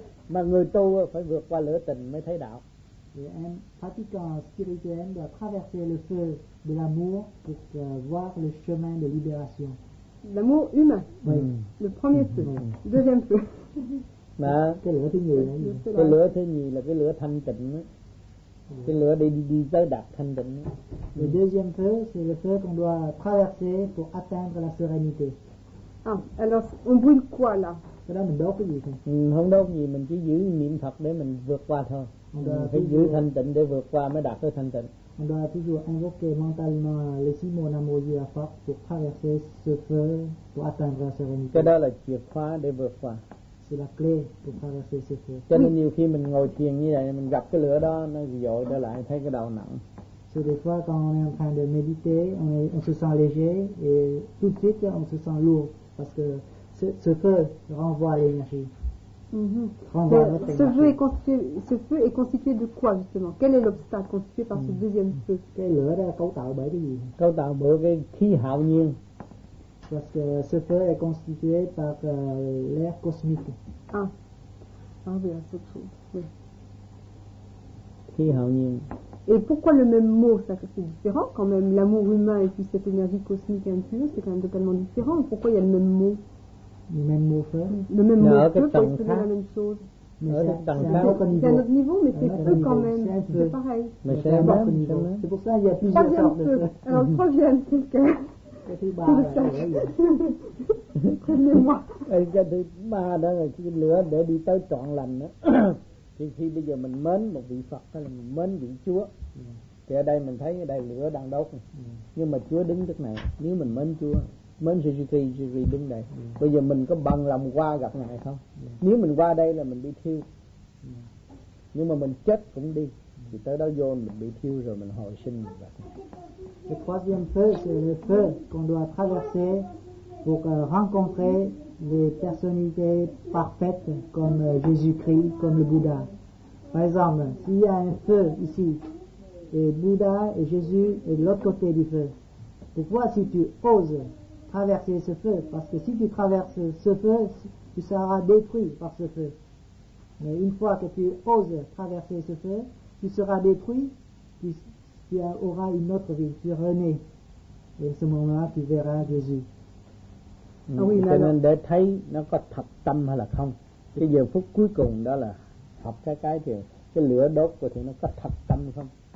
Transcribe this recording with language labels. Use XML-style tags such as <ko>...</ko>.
<vi>Mà người tu phải vượt qua lửa tình mới thấy đạo.</vi> <fr>Et un pratiquant spirituel doit traverser le feu de l'amour pour voir le chemin de libération. L'amour humain. Oui. Le premier feu. Deuxième feu.</fr> <vi>Là cái lửa thứ nhì. Cái lửa thứ nhì là cái lửa thanh tịnh. Cái lửa đi tới đạt thanh tịnh.</vi> <fr>Le deuxième feu, c'est le feu qu'on doit traverser pour atteindre la sérénité. Ah, alors on brûle quoi là?</fr> <vi>Cái đó mình đốt cái gì thôi? Không đốt gì, mình chỉ giữ niệm Phật để mình vượt qua thôi. Phải giữ thanh tịnh để vượt qua mới đạt tới thanh tịnh.</vi> <fr>On doit toujours invoquer mentalement les six mots Namoji à Phật pour traverser ce feu, pour atteindre la sérénité.</fr> <vi>Cái đó là chìa khóa để vượt qua.</vi> <fr>C'est la clé pour traverser ce feu.</fr> <vi>Cho nên nhiều khi mình ngồi thiền như vậy, mình gặp cái lửa đó, nó dội trở lại, thấy cái đầu nặng.</vi> <fr>C'est des fois quand on est en train de méditer, on se sent léger et tout de suite on se sent lourd parce que ce feu renvoie l'énergie. Ce feu est constitué de quoi justement? Quel est l'obstacle constitué par ce deuxième feu?</fr> <vi>Cái lửa đó cấu tạo bởi cái gì? Cấu tạo bởi cái khí hạo nhiên.</vi> <fr>Parce que ce feu est constitué par l'air cosmique. Ah, oui, c'est autre chose.</fr> <vi>Khí hạo nhiên.</vi> <fr>Et pourquoi le même mot, ça c'est différent quand même, l'amour humain et puis cette énergie cosmique impure, c'est quand même totalement différent. Pourquoi il y a le même mot? Le même mot feu. Le même mot feu, c'est la même chose. C'est un autre niveau, mais c'est feu quand même. C'est pareil. Mais c'est un autre niveau. C'est pour ça qu'il y a plusieurs sortes de feu. Alors le troisième, c'est le cœur.</fr> <vi>Cái thứ ba đó là cái lửa để đi tới trọn lành đó. Thì khi bây giờ mình mến một vị Phật hay là mình mến vị Chúa, thì ở đây mình thấy ở đây lửa đang đốt, nhưng mà Chúa đứng trước này. Nếu mình mến Chúa, mến Sri đứng đây, bây giờ mình có bằng lòng qua gặp Ngài không? Nếu mình qua đây là mình bị thiêu, nhưng mà mình chết cũng đi, thì tới đó vô mình bị thiêu rồi mình hồi sinh.</vi> <fr>Le troisième feu, c'est le feu qu'on doit traverser pour rencontrer les personnalités parfaites comme Jésus-Christ, comme le Bouddha. Par exemple, s'il y a un feu ici, et Bouddha et Jésus est de l'autre côté du feu, pourquoi si tu oses traverser ce feu? Parce que si tu traverses ce feu, tu seras détruit par ce feu. Mais une fois que tu oses traverser ce feu, tu seras détruit, tu auras une autre vie, tu renais. Et à ce moment-là, tu verras Jésus. Ah oui, là,</fr> <vi>cho nên để thấy nó có thật tâm hay là không. Cái giờ phút cuối cùng đó là học cái thì cái lửa đốt của thì nó có thật tâm không?</vi>